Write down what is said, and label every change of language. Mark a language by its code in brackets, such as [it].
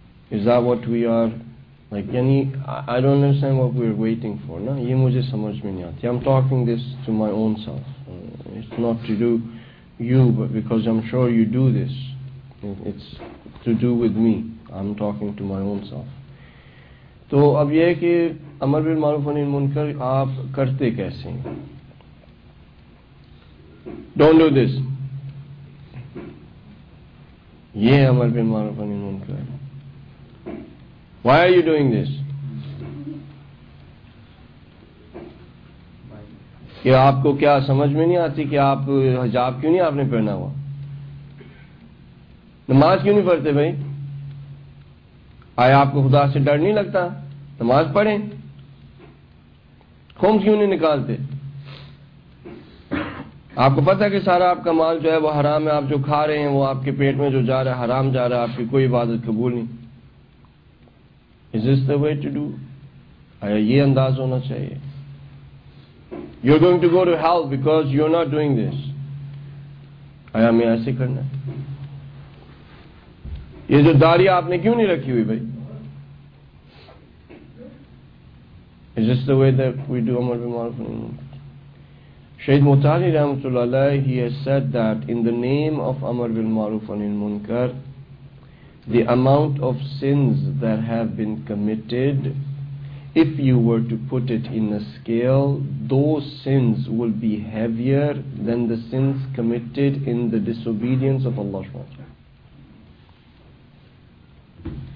[en] Is that what we are like? Yani, I don't understand what we are waiting for. Na, ye mujhe samajh mein nahi aati. I'm talking this to my own self. It's not to do you, but because I'm sure you do this. It's to do with me. I'm talking to my own self. [ur] تو اب یہ ہے کہ امر بن معروف نہیں منکر آپ کرتے کیسے ہیں؟ ڈونٹ ڈو دس, یہ امر بن معروف نہیں منکر. Why are you doing this? کہ آپ کو کیا سمجھ میں نہیں آتی کہ آپ حجاب کیوں نہیں آپ نے پہنا ہوا, نماز کیوں نہیں پڑھتے بھائی؟ آیا آپ کو خدا سے ڈر نہیں لگتا؟ نماز پڑھیں, خون کیوں نہیں نکالتے؟ آپ کو پتہ کہ سارا آپ کا مال جو ہے وہ حرام ہے, آپ جو کھا رہے ہیں وہ آپ کے پیٹ میں جو جا رہا ہے حرام جا رہا ہے, آپ کی کوئی عبادت قبول نہیں. [en] Is this the way to do? آیا یہ انداز ہونا چاہیے؟ You're going to go to hell because you're not doing this. آیا ہمیں ایسے کرنا ہے؟ یہ جو داڑھی آپ نے کیوں نہیں رکھی ہوئی بھائی؟ Is this the way that we do Amar bin Maruf wa Nahi al-Munkar? Shaykh Mutali rahmatullah alayhi, he has said that in the name of Amar bin Maruf wa Nahi al-Munkar, the amount of sins that have been committed, if you were to put it in a scale, those sins will be heavier than the sins committed in the disobedience of Allah subhanahu wa ta'ala.